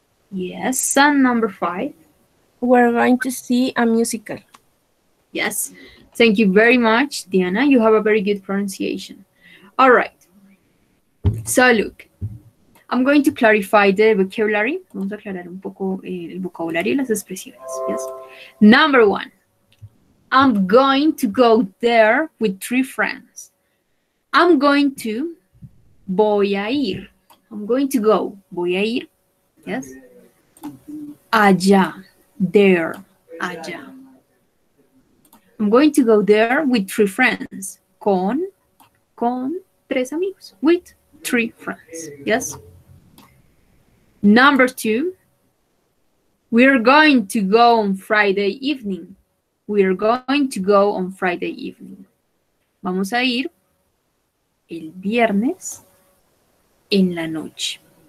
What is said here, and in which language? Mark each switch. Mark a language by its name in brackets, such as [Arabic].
[English] Yes, and number five. We're going to see a musical. Yes, thank you very much, Diana. You have a very good pronunciation. All right, so look, I'm going to clarify the vocabulary. [Spanish] Vamos a aclarar un poco el vocabulario y las expresiones, yes? [English] Number one, I'm going to go there with three friends. I'm going to, [Spanish] voy a ir. [English] I'm going to go, voy a ir, yes? Allá, there, allá. I'm going to go there with three friends. [Spanish] Con tres amigos. [English] With three friends, yes? Number two, we're going to go on Friday evening. We're going to go on Friday evening. [Spanish] Vamos a ir el viernes en la noche.